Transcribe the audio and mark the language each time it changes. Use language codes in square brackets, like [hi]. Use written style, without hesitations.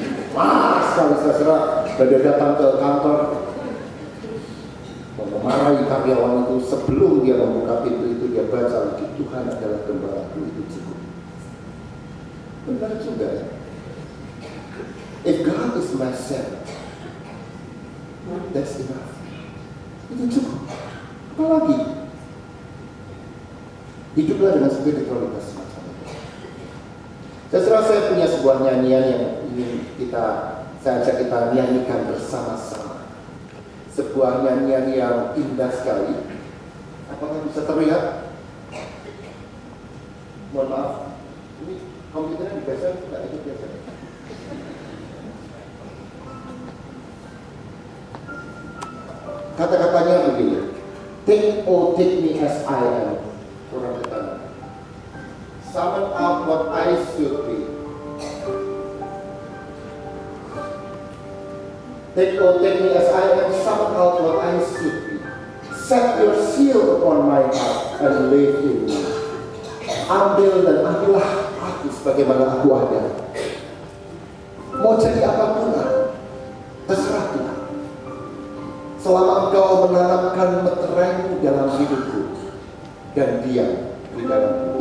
[id] Wah, sekali saya pada datang ke kantor, memarahi karyawan itu sebelum dia membuka pintu itu, dia baca lagi, Tuhan adalah gembalaku. Itu cukup. Benar juga. [en] If God is my center, that's enough. [id] Itu cukup. Apalagi hiduplah dengan spiritualitas macam itu. Seserah saya punya sebuah nyanyian yang ingin kita, saya ajak kita nyanyikan bersama-sama. Sebuah nyanyian yang indah sekali. Apakah bisa terlihat? Mohon maaf, ini komputernya biasa, tidak itu biasa. Kata-katanya begini, [en] take or take me as I am. [id] Orang bertanya, [en] summon up what I should be. Take or take me as I am, summon up what I should be. Set your seal upon my heart and live in me. [id] Ambil dan ambillah aku sebagaimana aku ada. Mau jadi apapun, terserah Tuhan. Selama engkau menanamkan meteraimu dalam hidupku dan diam di dalamku.